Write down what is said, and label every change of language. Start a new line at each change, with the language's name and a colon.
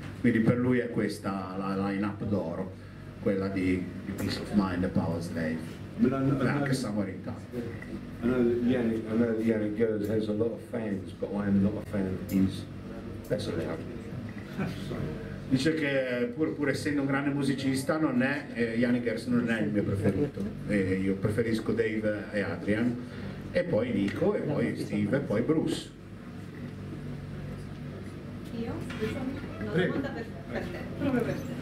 Italian: Quindi per lui è questa la line-up d'oro, quella di Peace of Mind, Power Slave. Anche Somewhere in Time.
English: I know that Yannick Gers has a lot of fans, but I am not a fan of his. That's allowed.
Italian: Dice che pur essendo un grande musicista, non è Yannick Gers non è il mio preferito. E io preferisco Dave e Adrian, e poi Nico, e poi Steve, e poi Bruce. Io? Una domanda per te. Proprio per te.